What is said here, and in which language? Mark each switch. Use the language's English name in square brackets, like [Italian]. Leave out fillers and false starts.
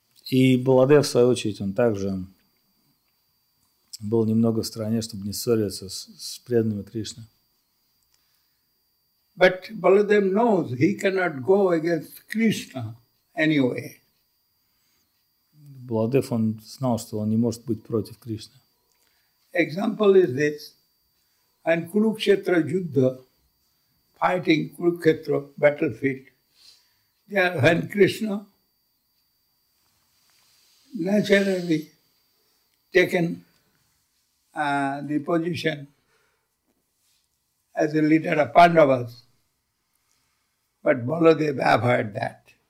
[Russian] И Баладев, в свою очередь, он также был немного в стороне, чтобы не ссориться с преданными Кришны. [English] But Baladev knows he cannot go against Krishna anyway. [Russian] Баладев, он знал, что он не может быть против Кришны. [English] Example is this. And Kurukshetra Yuddha, fighting Kurukshetra battlefield, there when Krishna naturally taken the position as a leader of Pandavas, but Baladev averred that.